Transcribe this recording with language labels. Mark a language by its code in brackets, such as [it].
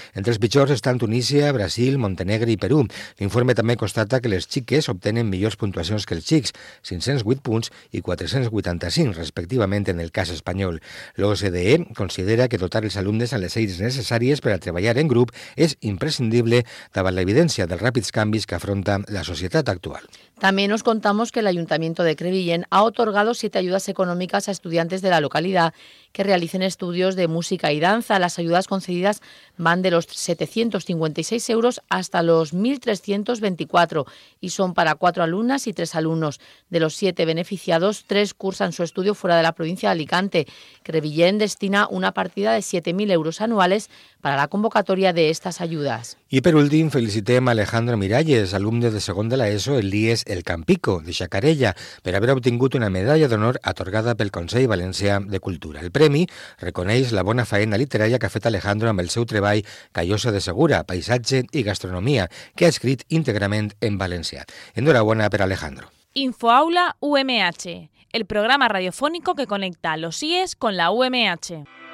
[ca] Entre els pitjors estan Tunísia, Brasil, Montenegro i Perú. L'informe també constata que les xiques obtenen millors puntuacions que els xics, 508 punts i 485, respectivament en el cas espanyol. L'OSDE considera que dotar els alumnes amb les eines necessàries per a treballar en grup és imprescindible davant l'evidència dels ràpids canvis que afronta la societat actual. actual. [es] También os contamos que el Ayuntamiento de Crevillent ha otorgado 7 ayudas económicas a estudiantes de la localidad que realicen estudios de música y danza. Las ayudas concedidas van de los 756 euros hasta los 1.324 y son para 4 alumnas y 3 alumnos. De los 7 beneficiados, 3 cursan su estudio fuera de la provincia de Alicante. Crevillent destina una partida de 7.000 euros anuales para la convocatoria de estas ayudas. Y por último, felicitemos a Alejandro Miralles, alumno de segundo de la ESO, el IES El Campico, de Xacarella, por haber [ca] obtingut [es] una medalla de honor otorgada pel Consell Valencià de Cultura. [ca] El premi reconeix la bona faena literària que ha fet Alejandro amb el seu treball Callosa de Segura, Paisatge i Gastronomia, que ha escrit íntegrament en valencià. [es] Enhorabuena per Alejandro. Infoaula UMH, el programa radiofónico que conecta los IES con la UMH.